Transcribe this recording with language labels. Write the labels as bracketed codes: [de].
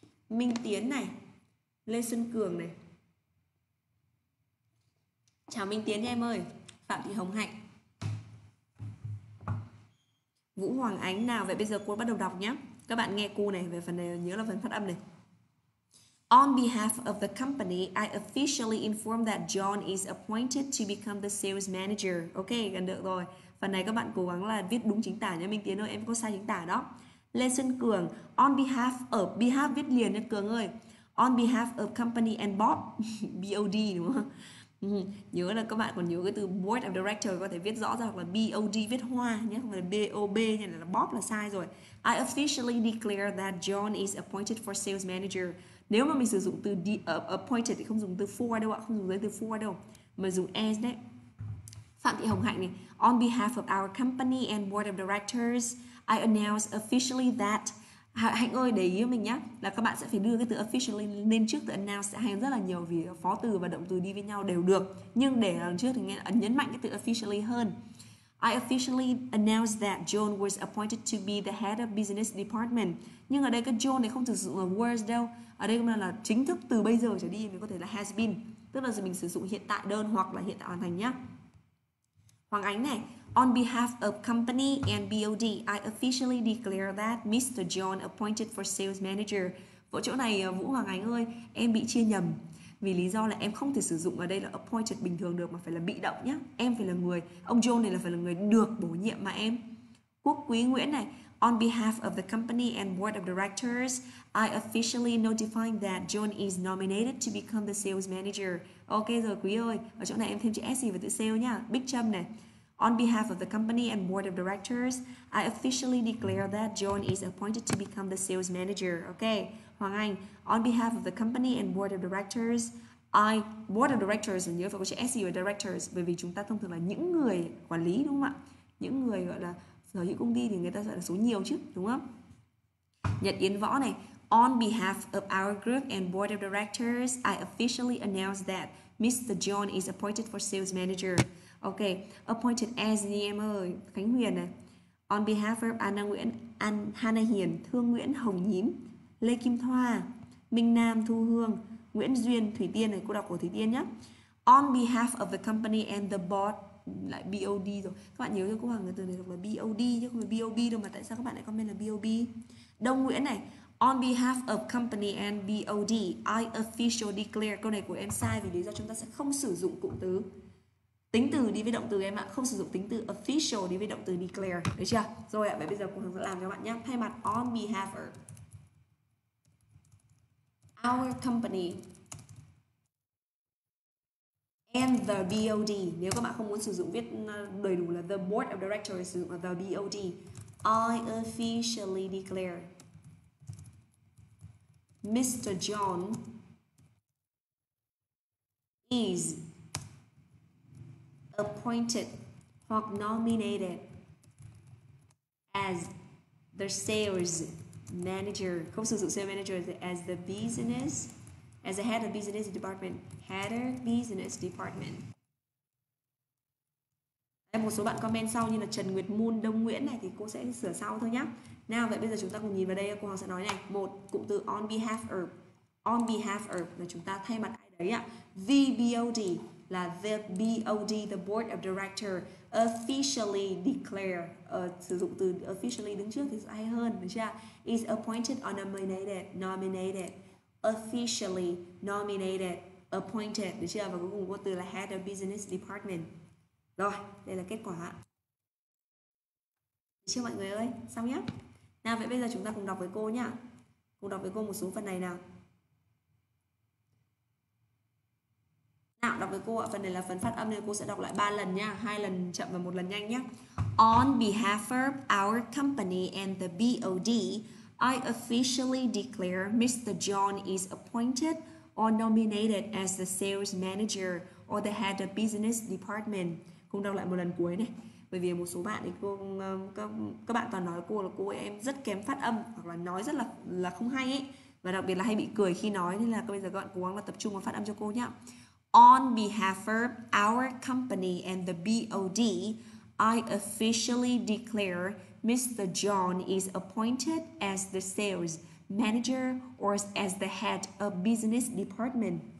[vi] Minh Tiến này, Lê Xuân Cường này. Chào Minh Tiến nha em ơi. Phạm Thị Hồng Hạnh, Vũ Hoàng Ánh nào. Vậy bây giờ cô bắt đầu đọc nhé. Các bạn nghe cô này, về phần này nhớ là phần phát âm này. [en] On behalf of the company, I officially inform that John is appointed to become the sales manager. [vi] Ok, gần được rồi. Phần này các bạn cố gắng là viết đúng chính tả nha Minh Tiến ơi, em có sai chính tả đó. Lê Xuân Cường, [en] on behalf of, [vi] behalf viết liền nha Cường ơi. [en] On behalf of company and board, BOD [vi] đúng không? Nhớ là các bạn còn nhớ cái từ board of director có thể viết rõ ra, hoặc là BOD viết hoa nhé, không phải là BOB nha, là Bob là sai rồi. [en] I officially declare that John is appointed for sales manager. [vi] Nếu mà mình sử dụng từ appointed thì không dùng từ for đâu ạ, không dùng giới từ for đâu, mà dùng as đấy. [en] Phạm Thị Hồng Hạnh này, on behalf of our company and board of directors, I announce officially that. [vi] Hạnh ơi, để ý mình nhé, là các bạn sẽ phải đưa cái từ officially lên trước từ announce sẽ hay rất là nhiều, vì phó từ và động từ đi với nhau đều được, nhưng để lần trước thì nghe nhấn mạnh cái từ officially hơn. [en] I officially announce that John was appointed to be the head of business department. [vi] Nhưng ở đây cái John này không thực sự là was đâu, ở đây là chính thức từ bây giờ trở đi, mình có thể là has been, tức là mình sử dụng hiện tại đơn hoặc là hiện tại hoàn thành nhé. [en] Hoàng Ánh này, on behalf of company and BOD, I officially declare that Mr. John appointed for sales manager. [vi] Vỗ chỗ này Vũ Hoàng Ánh ơi, em bị chia nhầm. Vì lý do là em không thể sử dụng ở đây là appointed bình thường được, mà phải là bị động nhé. Em phải là người, ông John này là phải là người được bổ nhiệm mà em. [en] Quốc Quý Nguyễn này, on behalf of the company and board of directors, I officially notify that John is nominated to become the sales manager. [vi] Ok rồi quý ơi, ở chỗ này em thêm chữ S gì vào từ sale nha. [en] Bích Trâm này, on behalf of the company and board of directors, I officially declare that John is appointed to become the sales manager. [vi] Ok, Hoàng Anh, [en] on behalf of the company and board of directors, [vi] I, board of directors, nhớ phải có chữ S gì vào directors, bởi vì chúng ta thông thường là những người quản lý đúng không ạ? Những người gọi là sở hữu công ty thì người ta sẽ là số nhiều chứ, đúng không? [en] Nhật Yến Võ này, on behalf of our group and board of directors, I officially announce that Mr. John is appointed for sales manager. Ok, appointed as the MO, Khánh Huyền này. On behalf of [vi] Anna Nguyễn, Hana Hiền, Thương Nguyễn, Hồng Nhím, Lê Kim Thoa, Minh Nam, Thu Hương, Nguyễn Duyên, Thủy Tiên này, cô đọc của Thủy Tiên nhé. [en] On behalf of the company and the board, [vi] lại BOD rồi. Các bạn nhớ cho cô Hằng, từ này đọc là BOD chứ không phải BOB đâu, mà tại sao các bạn lại comment là BOB? Đông Nguyễn này, [en] on behalf of company and BOD, I official declare. [vi] Câu này của em sai vì lý do chúng ta sẽ không sử dụng cụm từ. Tính từ đi với động từ em ạ, không sử dụng tính từ official đi với động từ declare, được chưa? Rồi ạ, vậy bây giờ cô hướng dẫn làm cho bạn nhé. Thay mặt [en] on behalf of our company and the BOD, [vi] nếu các bạn không muốn sử dụng viết đầy đủ là the board of directors, sử dụng là the BOD, [en] I officially declare Mr. John is appointed hoặc nominated as the sales manager, [vi] không sử dụng sales manager, [en] as the business, as the head of business department, head of business department. [vi] Em một số bạn comment sau như là Trần Nguyệt Môn, Đông Nguyễn này thì cô sẽ sửa sau thôi nhá. Nào vậy bây giờ chúng ta cùng nhìn vào đây, cô Hoàng sẽ nói này. Một, cụm từ on behalf of, on behalf of là chúng ta thay mặt ai đấy ạ. The BOD là the BOD, [en] the board of director, officially declare, [vi] sử dụng từ officially đứng trước thì hay hơn, được chưa? [en] Is appointed or nominated, nominated, officially nominated, appointed, [vi] được chưa? Và cuối cùng có từ là [en] head of business department. [vi] Rồi, đây là kết quả. Được chưa mọi người ơi? Xong nhé. Nào vậy bây giờ chúng ta cùng đọc với cô nhá. Cùng đọc với cô một số phần này nào. Nào đọc với cô ạ. Phần này là phần phát âm nên cô sẽ đọc lại 3 lần nhá. 2 lần chậm và 1 lần nhanh nhá. [en] On behalf of our company and the BOD, I officially declare Mr. John is appointed or nominated as the sales manager or the head of business department. [vi] Cùng đọc lại một lần cuối này. Bởi vì một số bạn thì cô, các bạn toàn nói cô là cô em rất kém phát âm hoặc là nói rất là không hay ấy. Và đặc biệt là hay bị cười khi nói, nên là bây giờ các bạn cố gắng là tập trung vào phát âm cho cô nhá. [en] On behalf of our company and the BOD, I officially declare Mr. John is appointed as the sales manager or as the head of business department.